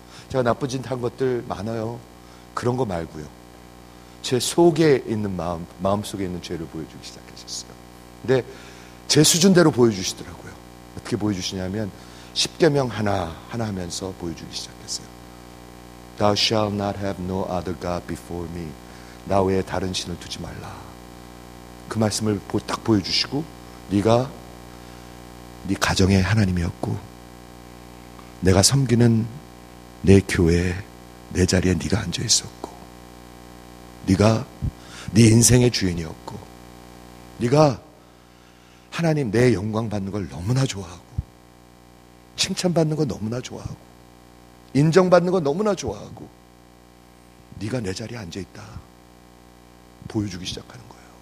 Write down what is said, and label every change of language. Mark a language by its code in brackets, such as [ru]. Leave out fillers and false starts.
[ko] 제가 나쁜 짓한 것들 많아요. 그런 거 말고요. 제 속에 있는 마음 속에 있는 죄를 보여주기 시작하셨어요. 근데 제 수준대로 보여주시더라고요. 어떻게 보여주시냐면 십계명 하나 하면서 보여주기 시작했어요. [en] Thou shalt not have no other God before me. [ko] 나 외에 다른 신을 두지 말라. 그 말씀을 딱 보여주시고 네가 네 가정의 하나님이었고 내가 섬기는 내 교회 내 자리에 네가 앉아있었고 네가 네 인생의 주인이었고 네가 하나님 내 영광 받는 걸 너무나 좋아하고 칭찬받는 거 너무나 좋아하고 인정받는 거 너무나 좋아하고 네가 내 자리에 앉아있다 보여주기 시작하는 거예요.